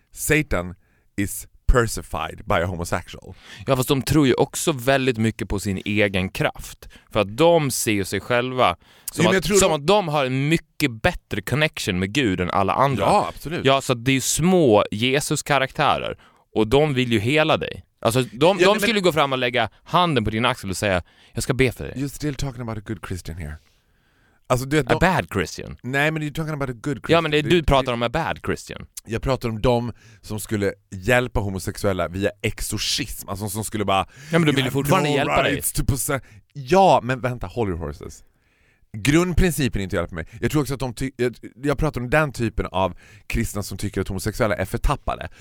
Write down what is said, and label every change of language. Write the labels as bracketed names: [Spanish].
[English] Satan is personified by a homosexual. [Swedish] Ja, fast de tror ju också väldigt mycket på sin egen kraft. För att de ser sig själva som, jo, som att de har en mycket bättre connection med Gud än alla andra. Ja, absolut. Ja, så det är ju små Jesus-karaktärer och de vill ju hela dig. Alltså, de skulle gå fram och lägga handen på din axel och säga, jag ska be för dig. [English] You're still talking about a good Christian here. [Swedish] Alltså, [English] a bad Christian. [Swedish] Nej, men [English] you're talking about a good Christian. [Swedish] Ja, men du pratar om [English] a bad Christian. [Swedish] Jag pratar om dem som skulle hjälpa homosexuella via exorcism. Alltså som skulle bara... Ja, men du vill fortfarande hjälpa dig. Ja, men vänta, [English] hold your horses. [Swedish] grundprincipen inte hjälper mig. Jag tror också att de jag pratar om den typen av kristna som tycker att homosexuella är förtappade.